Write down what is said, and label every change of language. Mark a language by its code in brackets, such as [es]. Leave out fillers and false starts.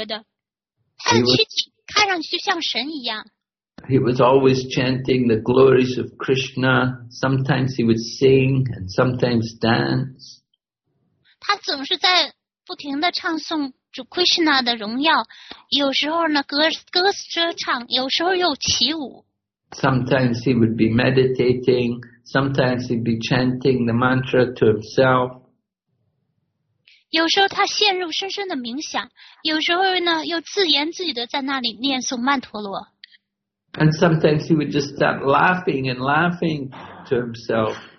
[zh] Gopakumar呢就开始说了，他说呢，我当时呢在放牧，让母牛去吃青草的时候呢，在文达文我遇到一个婆罗门，这个婆罗门呢，他就在文达文漫游，他是非常气绝的，他的气看上去就像神一样。 [en] He was always chanting the glories of Krishna. Sometimes he would sing and sometimes dance. [zh] 他总是在不停地唱诵主 Krishna 的荣耀，有时候呢歌歌歌唱，有时候又起舞。 [en] Sometimes he would be meditating. Sometimes he'd be chanting the mantra to himself. [zh] 有时候他陷入深深的冥想，有时候呢又自言自语地在那里念诵曼陀罗。 [en] And sometimes he would just start laughing and laughing to himself.